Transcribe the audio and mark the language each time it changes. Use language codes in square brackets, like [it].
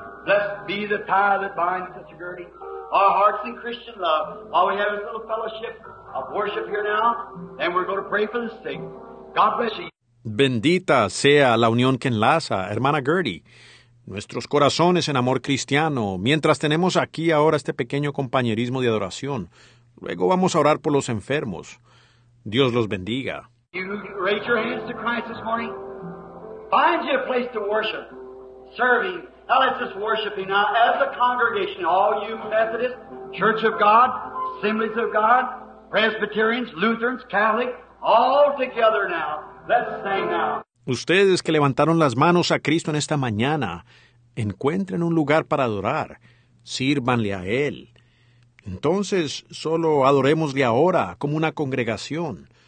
[en] Blessed be the tie that binds the security. Our hearts in Christian love. All we have is a little fellowship of worship here now, and we're going to pray for the sick. God bless you. [es] Bendita sea la unión que enlaza, hermana Gertie. Nuestros corazones en amor cristiano, mientras tenemos aquí ahora este pequeño compañerismo de adoración, luego vamos a orar por los enfermos. Dios los bendiga. [en] You raise your hands to Christ this morning. Find you a place to worship. Serving. Now let's just worship him now as a congregation. All you Methodists, Church of God, Assemblies of God, Presbyterians, Lutherans, Catholics, all together now. Let's sing now. [es] Ustedes que levantaron las manos a Cristo en esta mañana, encuentren un lugar para adorar. Sírvanle a él. Entonces, solo adorémosle ahora como una congregación.